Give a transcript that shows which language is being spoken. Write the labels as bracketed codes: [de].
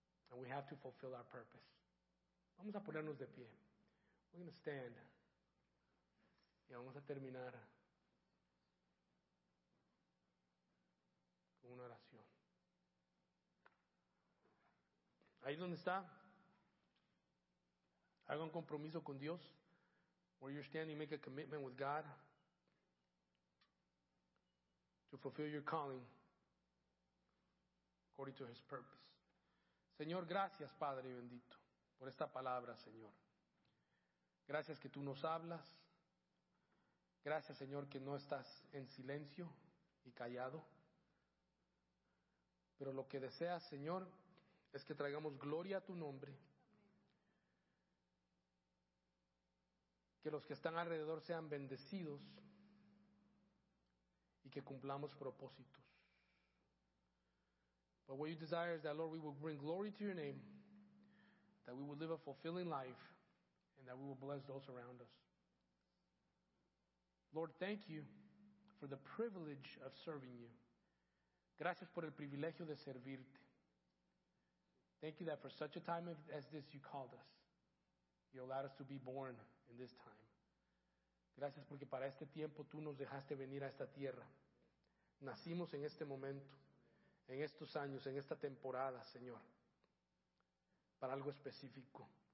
[en] And we have to fulfill our purpose. [es] Vamos a ponernos de pie. [en] We're going to stand. [es] Y vamos a terminar con una oración. Ahí donde está, haga un compromiso con Dios. Where you're standing, make a commitment with God to fulfill your calling according to His purpose. Señor, gracias, Padre bendito, por esta palabra, Señor. Gracias que tú nos hablas. Gracias, Señor, que no estás en silencio y callado. Pero lo que deseas, Señor, es que traigamos gloria a tu nombre. Que los que están alrededor sean bendecidos y que cumplamos propósitos. [en] But what you desire is that, Lord, we will bring glory to your name, that we will live a fulfilling life, and that we will bless those around us. Lord, thank you for the privilege of serving you. [es] Gracias por el privilegio de servirte. [en] Thank you that for such a time as this you called us. You allowed us to be born in this time. [es] Gracias porque para este tiempo tú nos dejaste venir a esta tierra. Nacimos en este momento, en estos años, en esta temporada, Señor, para algo específico.